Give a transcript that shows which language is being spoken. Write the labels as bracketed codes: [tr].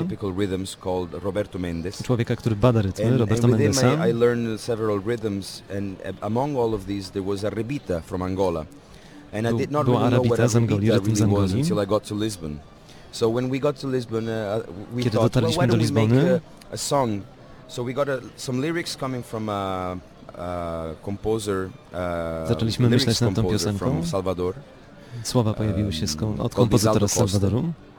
[en] typical rhythms called Roberto Mendes. [pl] Człowieka, który bada rytmy, Roberto Mendesa. [en] I learned several rhythms and among all of these there was a rebita from Angola. And I did not really know what a rebita really was until I got to Lisbon. So when we got to Lisbon, we [pl] kiedy [en] thought, well, why don't we [pl] Lizbony? [en] Make a song? So we got some lyrics coming from a composer, [pl] zaczęliśmy myśleć nad tą piosenką. [en] From Salvador. [pl] Słowa pojawiły się od kompozytora z Salvadoru.